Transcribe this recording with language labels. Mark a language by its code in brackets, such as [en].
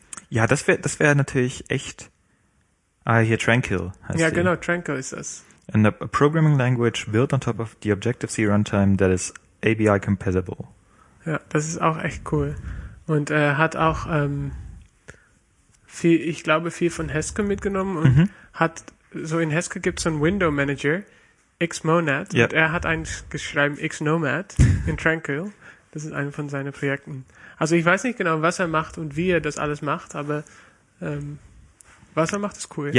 [de] Das wäre natürlich echt... Ah, hier Tranquil heißt ja, die. Genau, Tranquil ist das. [en] And a programming language built on top of the Objective-C Runtime that is ABI compatible. [de] Ja, das ist auch echt cool. Und hat auch viel von Haskell mitgenommen und hat... So in Haskell gibt es einen Window Manager, Xmonad, yep. Und er hat einen geschrieben, Xnomad, in Tranquil. Das ist ein von seinen Projekten. Also ich weiß nicht genau, was er macht und wie er das alles macht, aber was er macht, ist cool.